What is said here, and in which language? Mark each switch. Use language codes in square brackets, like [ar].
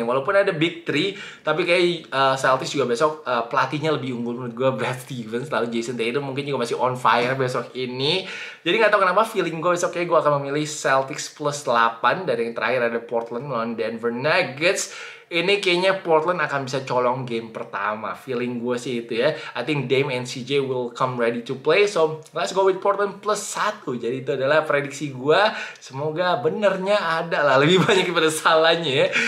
[id] Walaupun ada big 3, tapi kayak Celtics juga besok pelatihnya lebih unggul menurut gue, Brad Stevens. Lalu Jason Tatum mungkin juga masih on fire besok ini. Jadi gak tahu kenapa feeling gue besok kayak gue akan memilih Celtics plus 8. Dan yang terakhir ada Portland melawan Denver Nuggets. ini kayaknya Portland akan bisa colong game pertama. Feeling gue sih itu ya. [en] I think Dame and CJ will come ready to play. So, let's go with Portland plus 1. [id] Jadi itu adalah prediksi gue. Semoga benernya ada lah. Lebih banyak daripada salahnya ya.